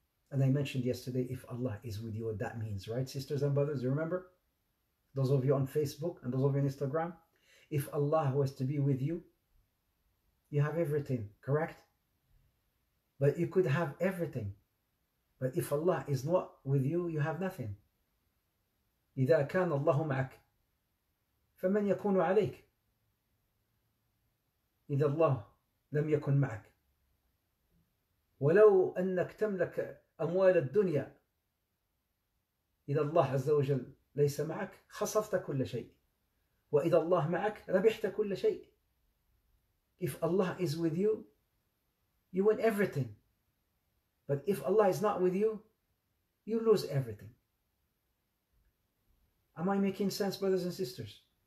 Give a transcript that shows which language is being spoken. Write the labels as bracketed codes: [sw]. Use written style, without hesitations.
[en] And I mentioned yesterday, if Allah is with you, what that means, right, sisters and brothers? You remember? Those of you on Facebook and those of you on Instagram, if Allah was to be with you, you have everything, correct? But you could have everything. But if Allah is not with you, you have nothing. [ar] إذا كان الله معك فمن يكون عليك إذا الله لم يكن معك ولو أنك تملك أموال الدنيا إذا الله عز وجل ليس معك خسرت كل شيء وإذا الله معك ربحت كل شيء. [en] If Allah is with you, you win everything. But if Allah is not with you, you lose everything. Am I making sense, brothers and sisters?